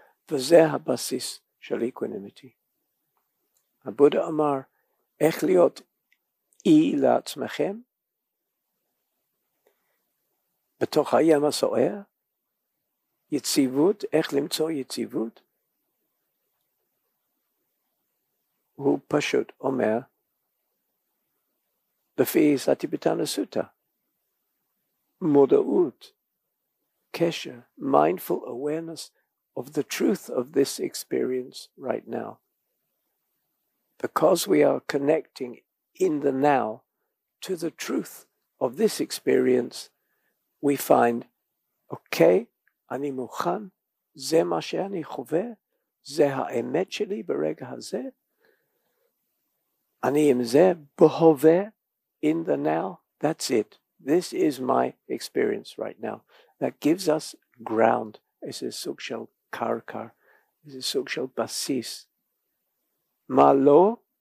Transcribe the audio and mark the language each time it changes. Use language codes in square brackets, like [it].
[he] וזה הבסיס של equanimity. הבודה אמר, איך להיות אי לעצמכם בתוך הים הסוער? יציבות, איך למצוא יציבות? הוא פשוט אומר, לפי סטיפיטנה סוטה, מודעות, קשר, [en] mindful awareness of the truth of this experience right now. Because we are connecting in the now to the truth of this experience, we find, okay, [he] אני מוכן, זה מה שאני חווה, זה האמת שלי ברגע הזה, אני עם זה, בהווה, [en] in the now, that's it. This is my experience right now. That gives us ground. It's a [he] סוג של קרקע, [en] it's a [he] סוג של בסיס. מה לא?